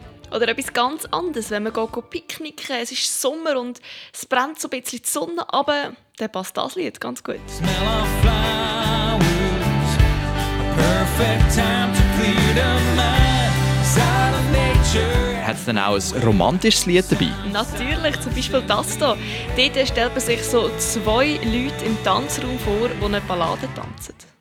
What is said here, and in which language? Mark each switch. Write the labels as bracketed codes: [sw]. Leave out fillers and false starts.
[de] Oder etwas ganz anderes, wenn man geht picknicken, es ist Sommer und es brennt so ein bisschen die Sonne, aber dann passt das Lied ganz gut. [en] Smell of flowers, a perfect time to clear the mind, silent nature. [de] Hat es dann auch ein romantisches Lied dabei? Natürlich, zum Beispiel das hier. Dort stellt man sich so zwei Leute im Tanzraum vor, die eine Ballade tanzen.